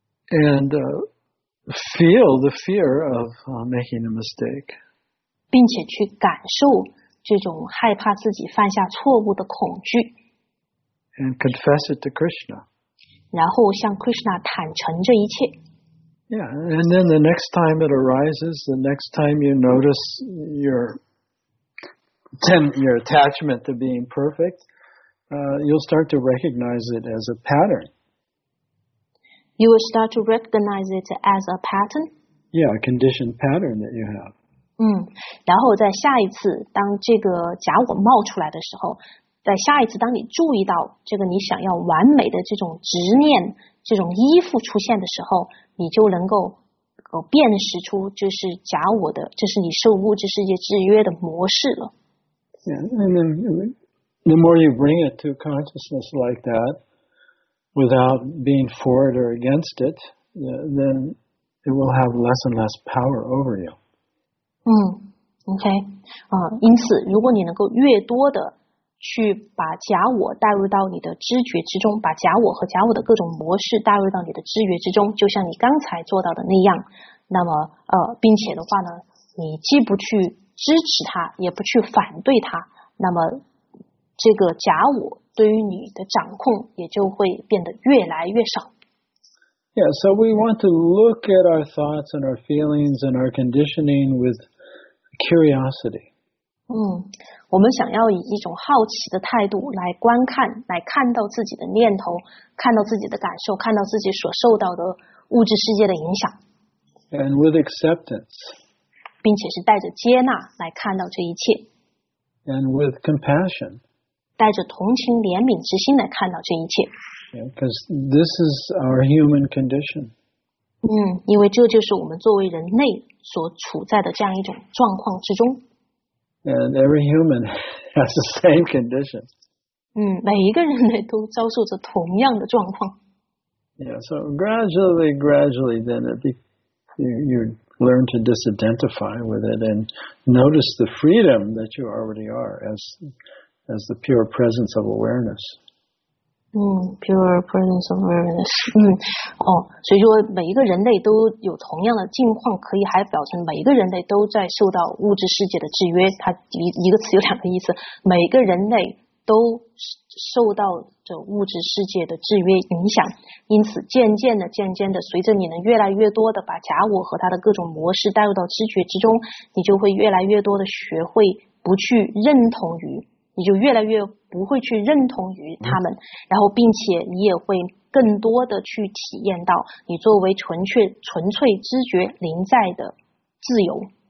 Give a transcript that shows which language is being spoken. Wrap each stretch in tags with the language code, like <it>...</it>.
<en>And feel the fear of making a mistake.</en> <zh>并且去感受这种害怕自己犯下错误的恐惧。</zh> <en>And confess it to Krishna.</en> <zh>然后向 Krishna 坦诚这一切。</zh> <en>Yeah, and then the next time it arises, the next time you notice your attachment to being perfect, you'll start to recognize it as a pattern. You will start to recognize it as a pattern. Yeah, a conditioned pattern that you have.</en> <zh>然后在下一次当这个假我冒出来的时候，在下一次当你注意到这个你想要完美的这种执念、这种依附出现的时候，你就能够辨识出这是假我的，这是你受物质世界制约的模式了。</zh> <en>Yeah, and the more you bring it to consciousness like that. Without being for it or against it, then it will have less and less power over you. Okay.</en> <zh>因此，如果你能够越多的去把假我带入到你的知觉之中，把假我和假我的各种模式带入到你的知觉之中，就像你刚才做到的那样，那么并且的话呢，你既不去支持它，也不去反对它，那么这个假我。对于你的掌控也就会变得越来越少。</zh> <en>Yeah, so we want to look at our thoughts and our feelings and our conditioning with curiosity.</en> <zh>我们想要以一种好奇的态度来观看，来看到自己的念头，看到自己的感受，看到自己所受到的物质世界的影响。</zh> <en>And with acceptance.</en> <zh>并且是带着接纳来看到这一切。</zh> <en>And with compassion.</en> <zh>带着同情怜悯之心来看到这一切。</zh> <en>Because this is our human condition.</en> <zh>因为这就是我们作为人类所处在的这样一种状况之中。</zh> <en>And every human has the same condition.</en> <zh>每一个人类都遭受着同样的状况。</zh> <en>Yeah, so gradually, then you learn to disidentify with it and notice the freedom that you already are as the pure presence of awareness. Pure presence of awareness.</en> <zh>所以说每一个人类都有同样的境况，可以还表成每一个人类都在受到物质世界的制约。它一个词有两个意思，每一个人类都受到着物质世界的制约影响，因此渐渐的，随着你能越来越多的把假我和它的各种模式带入到知觉之中，你就会越来越多的学会不去认同于，你就越来越不会去认同于他们，然后并且你也会更多的去体验到你作为纯粹知觉临在的自由。</zh>